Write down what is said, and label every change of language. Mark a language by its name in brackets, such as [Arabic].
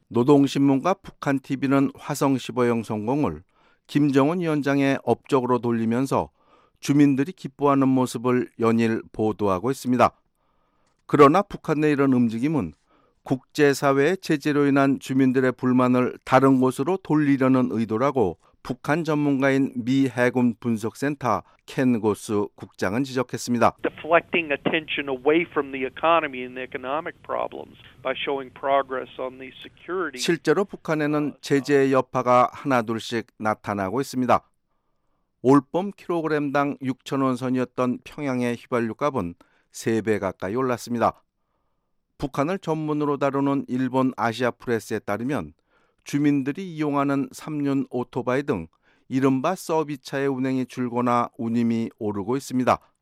[Korean] 노동신문과 북한TV는 화성 15형 성공을 김정은 위원장의 업적으로 돌리면서 주민들이 기뻐하는 모습을 연일 보도하고 있습니다. 그러나 북한 내 이런 움직임은 국제사회의 제재로 인한 주민들의 불만을 다른 곳으로 돌리려는 의도라고 북한 전문가인 미 해군 분석센터 켄 고스 국장은 지적했습니다. [English] Deflecting attention away from the economy and the economic problems by showing progress on the security. [Korean] 실제로 북한에는 제재의 여파가 하나둘씩 나타나고 있습니다. 올봄 킬로그램당 6천 원 선이었던 평양의 휘발유 값은 3배 가까이 올랐습니다. 북한을 전문으로 다루는 일본 아시아 프레스에 따르면 주민들이 이용하는 3륜 오토바이 등 이른바 서비스차의 운행이 줄거나 운임이 오르고 있습니다.